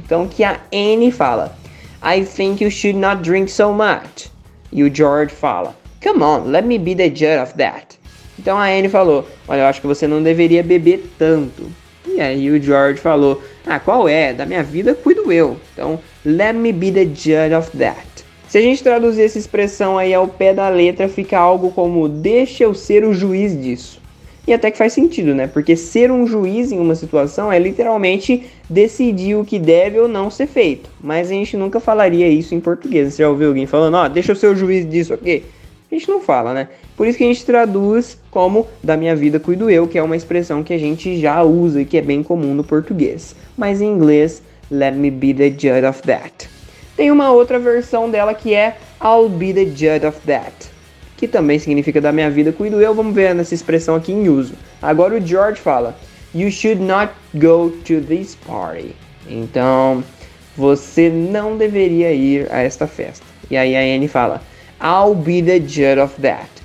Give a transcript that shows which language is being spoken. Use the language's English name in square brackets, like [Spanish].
[Portuguese] Então, que a Annie fala, [English] I think you should not drink so much. [Portuguese] E o George fala, [English] come on, let me be the judge of that. [Portuguese] Então, a Annie falou, olha, eu acho que você não deveria beber tanto. E aí o George falou, ah, qual é? Da minha vida, cuido eu. Então, [English] let me be the judge of that. [Portuguese] Se a gente traduzir essa expressão aí ao pé da letra, fica algo como, deixa eu ser o juiz disso. E até que faz sentido, né? Porque ser um juiz em uma situação é literalmente decidir o que deve ou não ser feito. Mas a gente nunca falaria isso em português. Você já ouviu alguém falando, ó, deixa eu ser o juiz disso aqui? A gente não fala, né? Por isso que a gente traduz como da minha vida cuido eu, que é uma expressão que a gente já usa e que é bem comum no português. Mas em inglês, [English] let me be the judge of that. [Portuguese] Tem uma outra versão dela que é [English] I'll be the judge of that, [Portuguese] que também significa da minha vida cuido eu. Vamos ver nessa expressão aqui em uso. Agora o George fala, [English] you should not go to this party. [Portuguese] Então, você não deveria ir a esta festa. E aí a Annie fala, [English] I'll be the judge of that.